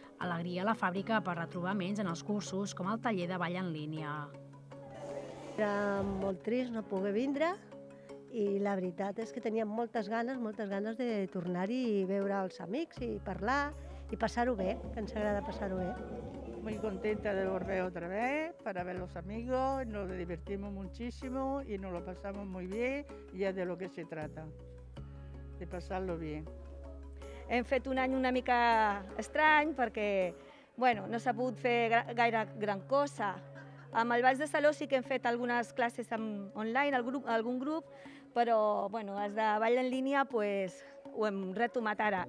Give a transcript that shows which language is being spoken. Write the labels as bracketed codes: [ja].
[ca] Alegria a la fàbrica per retrobar menys en els cursos, com el taller de ball en línia. Era molt trist no poder vindre i la veritat és que tenia moltes ganes de tornar-hi i veure els amics i parlar i passar-ho bé, que ens agrada passar-ho bé. [es] Muy contenta de volver otra vez para ver los amigos, nos divertimos muchísimo y nos lo pasamos muy bien y es de lo que se trata, de pasarlo bien. [ca] Hem fet un any una mica estrany perquè, bueno, no s'ha pogut fer gaire gran cosa. Amb el Baix de Saló sí que hem fet algunes classes online, algun grup, però bueno, els de ball en línia pues, ho hem retomat ara.